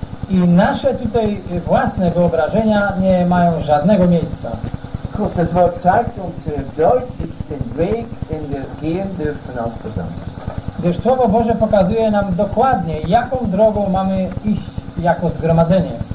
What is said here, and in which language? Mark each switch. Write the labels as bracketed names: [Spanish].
[Polish] I nasze tutaj własne wyobrażenia nie mają żadnego miejsca. [German] Gottes Wort zeigt uns deutlich den Weg, den wir gehen dürfen als Versammlung. [Polish] Gdyż Słowo Boże pokazuje nam dokładnie, jaką drogą mamy iść jako zgromadzenie.